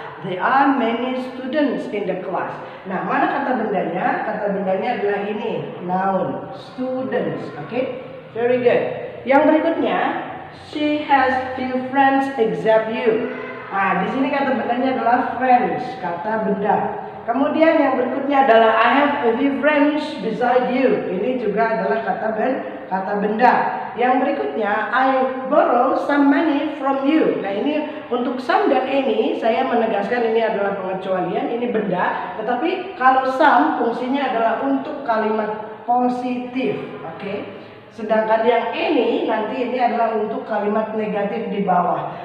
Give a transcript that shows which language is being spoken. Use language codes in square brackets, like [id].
[en] There are many students in the class. [id] Nah, mana kata bendanya? Kata bendanya adalah ini, noun, students, okay? [en] Very good. [id] Yang berikutnya, [en] she has few friends except you. [id] Nah, di sini kata bendanya adalah friends, kata benda. Kemudian yang berikutnya adalah [en] I have a few friends beside you. [id] Ini juga adalah kata benda. Yang berikutnya [en] I borrow some money from you. [id] Nah, ini untuk some dan any saya menegaskan ini adalah pengecualian, ini benda. Tetapi kalau some fungsinya adalah untuk kalimat positif, oke? Sedangkan yang any nanti ini adalah untuk kalimat negatif di bawah.